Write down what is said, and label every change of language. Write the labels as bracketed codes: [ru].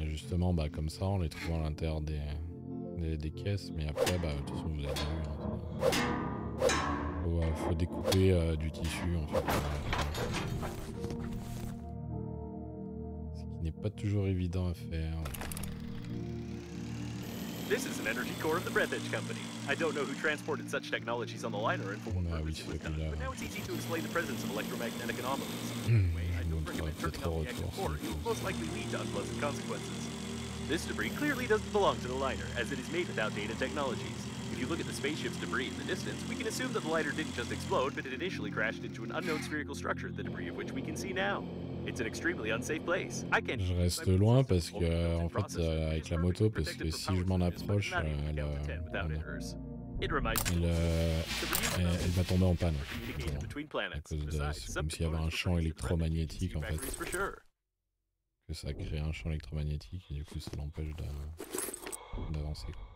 [fr] Et justement, bah, comme ça, on les trouve à l'intérieur des caisses. Mais après, bah, de toute façon, vous avez vu. Hein. Faut découper du tissu en fait. Ce qui n'est pas toujours évident à faire. [en] This is an energy core of the Breath Edge Company. I don't know who transported such technologies on the liner and for what purpose it was done, but now it's easy to explain the presence of electromagnetic anomalies. Anyway, I don't recommend turning on the active core, it will most likely lead to unpleasant consequences. This debris clearly doesn't belong to the liner, as it is made with outdated technologies. If you look at the spaceship's debris in the distance, we can assume that the liner didn't just explode, but it initially crashed into an unknown spherical structure, the debris of which we can see now. It's an extremely unsafe place. I can't. [fr] Je reste loin parce que en fait avec la moto, parce que si je m'en approche, elle va tomber en panne. À cause de, c'est comme s'il y avait un champ électromagnétique en fait. Que ça crée un champ électromagnétique et du coup ça l'empêche d'avancer.